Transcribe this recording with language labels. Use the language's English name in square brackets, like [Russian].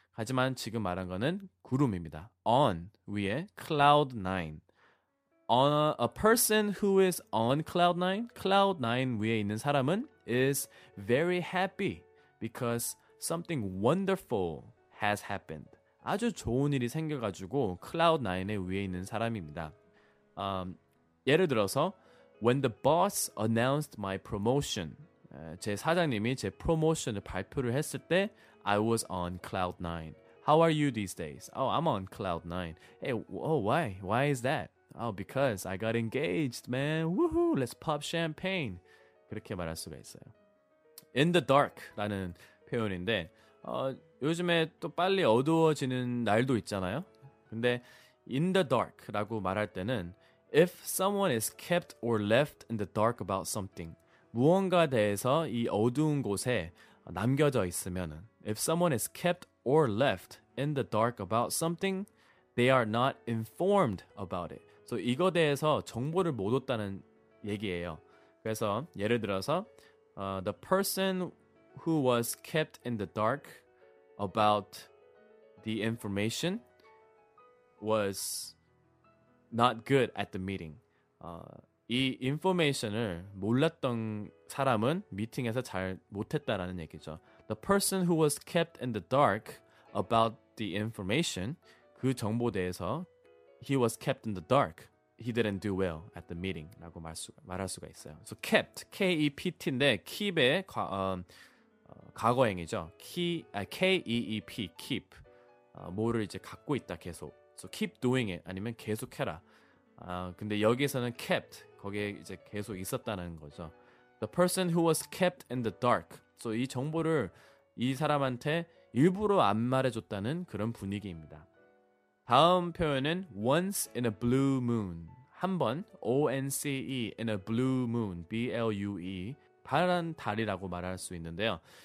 [Korean] 하지만 지금 말한 거는 구름입니다. [English] on 위에 cloud 9. A person who is on cloud 9, [Korean] cloud 9 위에 있는 사람은 [English] is very happy because something wonderful has happened. [Korean] 아주 좋은 일이 생겨가지고 cloud 9에 위에 있는 사람입니다. 예를 들어서 [English] when the boss announced my promotion, [Korean] 제 사장님이 제 프로모션을 발표를 했을 때 [English] I was on cloud 9. How are you these days? Oh, I'm on cloud 9. Hey, why? Why is that? Oh, because I got engaged, man. Woohoo, let's pop champagne. [Korean] 그렇게 말할 수가 있어요. In the dark라는 표현인데, 요즘에 또 빨리 어두워지는 날도 있잖아요. [English] 근데 in the dark라고 말할 때는 if someone is kept or left in the dark about something, [Korean] 무언가 대해서 이 어두운 곳에 남겨져 있으면은, [English] if someone is kept or left in the dark about something, they are not informed about it. [Korean] So 이거 대해서 정보를 못 얻다는 얘기예요. 그래서 예를 들어서 [English] the person who was kept in the dark about the information was not good at the meeting. [Korean] 이 information을 몰랐던 사람은 미팅에서 잘 못했다라는 얘기죠. [English] The person who was kept in the dark about the information, [Korean] 그 정보 대해서 [English] he was kept in the dark. He didn't do well at the meeting [Korean] 라고 말할 수가 있어요. So kept, K-E-P-T인데 keep의 과거형이죠. [English] K-E-E-P, keep. [Korean] 뭐를 이제 갖고 있다 계속. [English] So keep doing it, [Korean] 아니면 계속해라. 근데 여기에서는 kept, 거기에 이제 계속 있었다는 거죠. [English] The person who was kept in the dark. [Korean] So 이 정보를 이 사람한테 일부러 안 말해줬다는 그런 분위기입니다. 다음 표현은 [English] once in a blue moon. [Korean] 한 번, O-N-C-E, [English] in a blue moon, [Korean] B-L-U-E, 파란 달이라고 말할 수 있는데요.